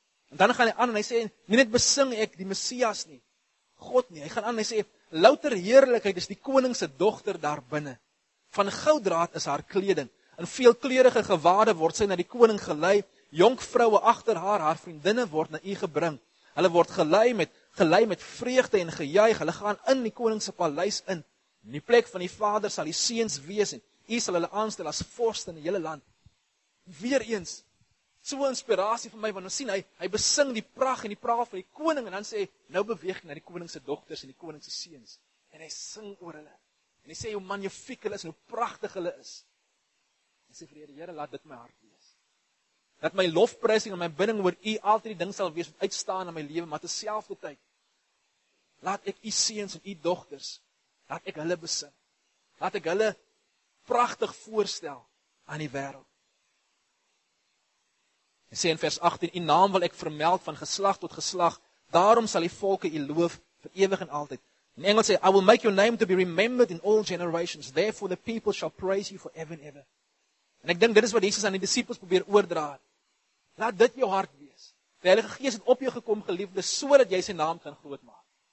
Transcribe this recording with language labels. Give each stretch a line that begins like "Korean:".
Afrikaans: En dan gaan hy aan en hy sê, nie net besing ek die Messias nie, God nie. Hy gaan aan en hy sê, louter heerlikheid is die koningse dogter daar binne. Van gouddraad is haar kleding. In veelkleurige gewade word sy na die koning gelei. Jonkvroue agter haar vriendinne word na u gebring. Hulle word gelei met vreugde en gejuig. Hulle gaan in die koningse paleis in. In die plek van die vader sal die seuns wees en u sal hulle aanstel as vorst in die hele land. Weereens, so inspirasie vir my, want ons sien, hy besing die pracht en die praal van die koning, en dan sê, nou beweeg ek na die koningse dogters en die koningse seuns, en hy sing oor hulle, en hy sê, hoe magnifiek hulle is, en hoe prachtig hulle is, en sê, vir die Here, laat dit my hart wees, dat my lofprysing en my binding oor u, altyd die ding sal wees, wat uitstaan in my leven, maar terselfde tyd, laat ek u seuns en u dogters, laat ek hulle besing, laat ek hulle prachtig voorstel aan die wereld, en sê in vers 18, die naam wil ek vermeld van geslag tot geslag, daarom sal die volke die loof vir ewig en altyd. In Engels sê,
English: I will make your name to be remembered in all generations, therefore the people shall praise you forever and ever.
Afrikaans: En ek dink, dit is wat Jesus aan die disciples probeer oordra. Laat dit jou hart wees. Die Heilige Gees het op jou gekom, geliefde, so dat jy sy naam kan groot maak.